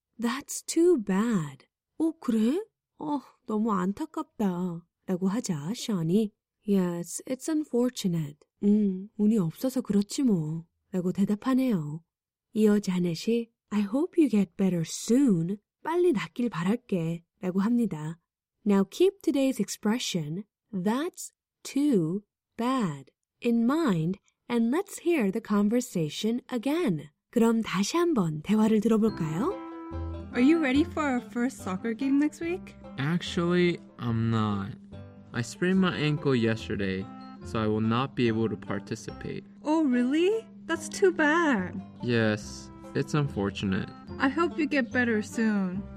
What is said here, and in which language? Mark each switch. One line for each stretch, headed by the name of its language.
English: That's too bad.
Korean: 어, 그래? 너무 안타깝다 라고 하자 션이
English: Yes, it's unfortunate.
Korean: 운이 없어서 그렇지 뭐 라고 대답하네요. 이어 자넷이
English: I hope you get better soon.
Korean: 빨리 낫길 바랄게 라고 합니다.
English: Now keep today's expression That's too bad in mind and let's hear the conversation again.
Korean: 그럼 다시 한번 대화를 들어볼까요?
English: Are you ready for our first soccer game next week? Actually, I'm not. I sprained my ankle yesterday, so I will not be able to participate. Oh, really? That's too bad. Yes, it's unfortunate. I hope you get better soon.